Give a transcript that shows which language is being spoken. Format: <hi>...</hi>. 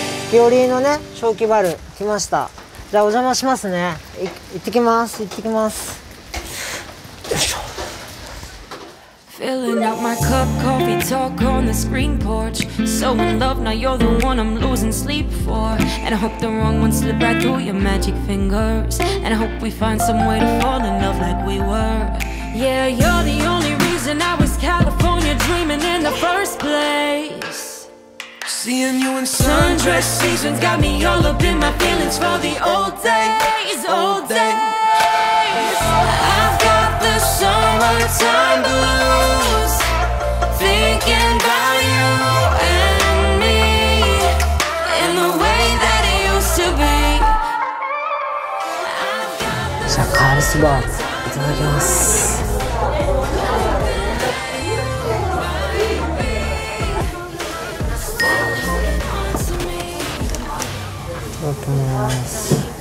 <ja>鳥居のね、正喜バル来ました。じゃあお邪魔しますね。行ってきます、行ってきます。</ja> <en>Filling up my cup, coffee talk on the screen porch. So in love, now you're the one I'm losing sleep for. And I hope the wrong ones slip right through your magic fingers. And I hope we find some way to fall in love like we were. Yeah, you're the only reason I was California dreaming in the first place. Seeing you in sundress seasons got me all up in my feelings for the old days, old days. I've got the summertime blues, thinking about you and me in the way that it used to be.</en> <ja>じゃあカールスバーいただきます。いただきます。</ja>